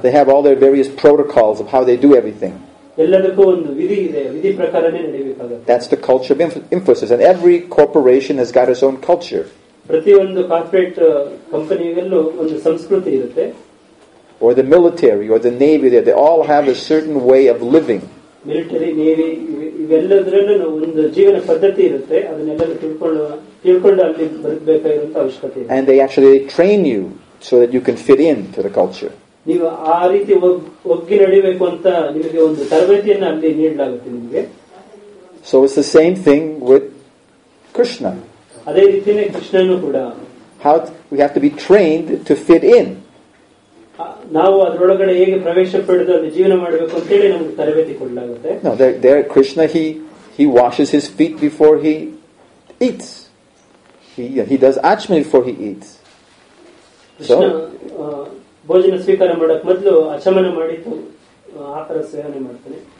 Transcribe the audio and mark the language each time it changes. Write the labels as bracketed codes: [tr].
[en] They have all their various protocols of how they do everything. [kn] ಎಲ್ಲದಕ್ಕೂ ಒಂದು ವಿಧಿ ಇದೆ, ವಿಧಿ ಪ್ರಕಾರನೇ ನಡೆಯಬೇಕಾಗುತ್ತೆ. [en] That's the culture of Infosys, and every corporation has got its own culture. [kn] ಪ್ರತಿಯೊಂದು corporate ಕಂಪನಿಯಲ್ಲೂ ಒಂದು ಸಂಸ್ಕೃತಿ ಇರುತ್ತೆ. [en] Or the military or the navy, they all have a certain way of living. [kn] Military, navy ಇವೆಲ್ಲದರಲ್ಲೂ ಒಂದು ಜೀವನ ಪದ್ಧತಿ ಇರುತ್ತೆ. ಅದನ್ನೆಲ್ಲರೂ ತಿಳ್ಕೊಂಡು ಅಲ್ಲಿ ಬರಬೇಕಾಗಿರುವಂತ ಅವಶ್ಯಕತೆ ಇದೆ. [en] And they actually train you so that you can fit in to the culture. [kn] ನೀವು ಆ ರೀತಿ ಒಗ್ಗಿ ನಡಿಬೇಕು ಅಂತ ನಿಮಗೆ ಒಂದು ತರಬೇತಿಯನ್ನ ಅಲ್ಲಿ ನೀಡಲಾಗುತ್ತೆ ನಿಮಗೆ. [en] So it's the same thing with Krishna. [kn] ಅದೇ ರೀತಿನೇ ಕೃಷ್ಣನು ಕೂಡ. [en] How we have to be trained to fit in. [kn] ನಾವು ಅದರೊಳಗಡೆ ಹೇಗೆ ಪ್ರವೇಶ ಪಡೆದು ಅಲ್ಲಿ ಜೀವನ ಮಾಡಬೇಕು ಅಂತೇಳಿ ನಮ್ಗೆ ತರಬೇತಿ ಕೊಡಲಾಗುತ್ತೆ. [en] Krishna he washes his feet before he eats, he does achaman before he eats. [kn] Krishna ಭೋಜನ ಸ್ವೀಕಾರ ಮಾಡಕ್ ಮೊದಲು ಅಶಮನ ಮಾಡಿದ್ದು ಆ ತರ ಸೇವನೆ ಮಾಡ್ತಾನೆ.